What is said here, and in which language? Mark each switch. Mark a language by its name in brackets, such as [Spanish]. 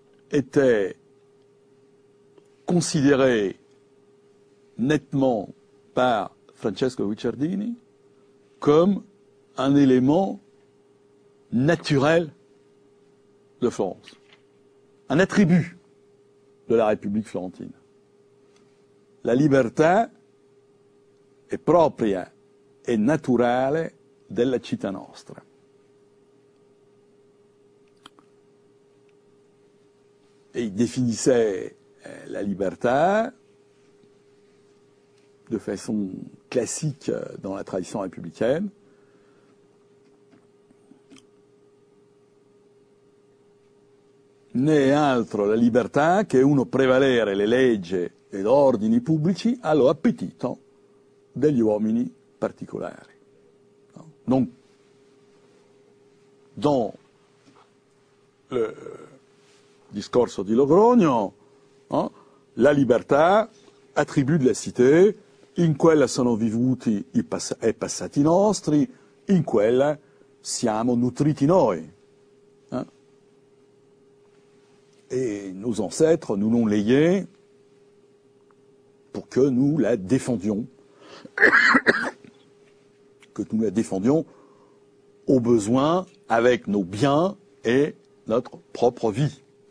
[French] était considéré nettement par Francesco Guicciardini comme un élément naturel de Florence, un attribut de la République florentine. [Italian] La libertà è propria e naturale della città nostra. E [French] definissait la libertà de façon classique dans la tradition républicaine [Italian] né altro la libertà che uno prevalere le leggi ed ordini pubblici allo appetito degli uomini particolari. [French] Donc, dans le discorso di Logroño, hein, la libertà, attribut de la cité, [Italian] in quella sono vivuti i passati nostri, in quella siamo nutriti noi. Hein. [French] Et nos ancêtres nous l'ont légué pour que nous la défendions, que nous la défendions au besoin avec nos biens et notre propre vie.